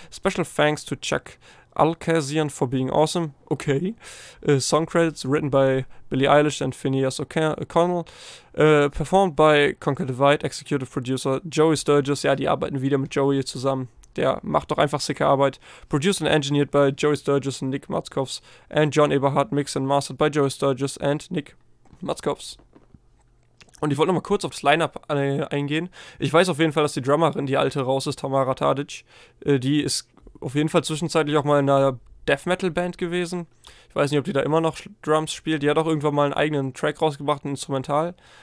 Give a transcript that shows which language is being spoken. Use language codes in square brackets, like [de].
[en] Special thanks to Chuck Alkazian for being awesome. Okay. Song credits written by Billie Eilish and Phineas O'Connell. Performed by Conker Divide, executive producer Joey Sturgis. [de] Ja, die arbeiten wieder mit Joey zusammen. Der macht doch einfach sicke Arbeit. [en] Produced and engineered by Joey Sturgis and Nick Matzkoffs. And John Eberhardt, mixed and mastered by Joey Sturgis and Nick Matzkoffs. [de] Und ich wollte nochmal kurz auf das Line-Up eingehen. Ich weiß auf jeden Fall, dass die Drummerin, die alte raus ist, Tamara Tadic, die ist auf jeden Fall zwischenzeitlich auch mal in einer Death-Metal-Band gewesen. Ich weiß nicht, ob die da immer noch Drums spielt. Die hat auch irgendwann mal einen eigenen Track rausgebracht, ein Instrumental.